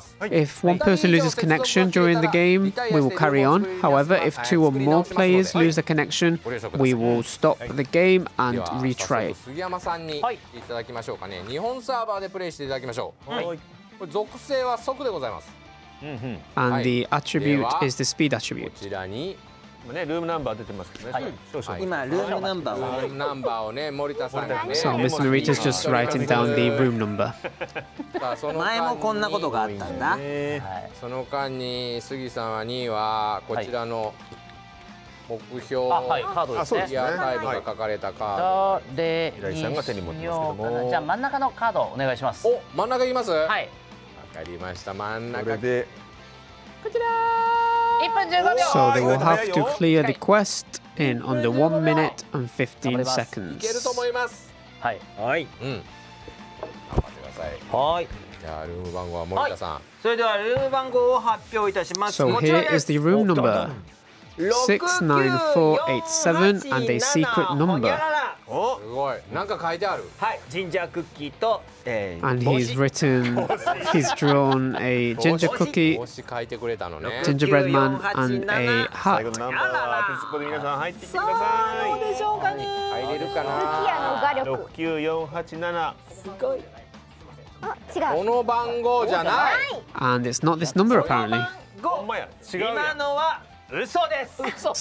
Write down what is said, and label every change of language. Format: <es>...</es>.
<en>If one person loses connection during the game, we will carry on. However, if two or more players lose the connection, we will stop the game and retry it.</en> <ja>杉山さんにいただきましょうかね。日本サーバーでプレイしていただきましょう。属性は速でございます。</ja> <en>And the attribute is the speed attribute.</en> <ja>こちらにね、ルームナンバー出てますけどね、はい、少々今ルームナンバーをナンバーをね、森田さんね、そう、</ja> <en>Mr. Narita is just writing down the room number。</en> <ja>前もこんなことがあったんだ、はい、その間に杉さんは2位はこちらの目標、はい、あ、はい、カードですね、リアタイムが書かれたカードで、依頼さんが手に持ってますけども、じゃあ真ん中のカードお願いします。お、真ん中いきます。はい、わかりました。真ん中これでこちら1分15秒。</ja> <en>So they will have to clear the quest in under 1 minute and 15 seconds.</en> <ja>いけると思います。はい、はい、うん、頑張ってください。はい、じゃあルーム番号は森田さん、はい、それではルーム番号を発表いたします。</ja> <en>So here is the room number 69487 and a secret number。</en> <ja>おすごい、なんか書いてある。はい、ジンジャークッキーと、</ja> <en>And he's written, he's drawn a ginger cookie,</en> <ja>星書いてくれたのね、</ja> <en>gingerbread man and a heart。</en> <ja>最後のナンバーは手作りの皆さん入ってきてください。そうでしょうかね、入れるかな。クキアの画力 69487。すごい、あ、違う、この番号じゃない。</ja> <en>And it's not this number apparently。</en> <ja>ほんまや、違うよ、今のは嘘です。</ja>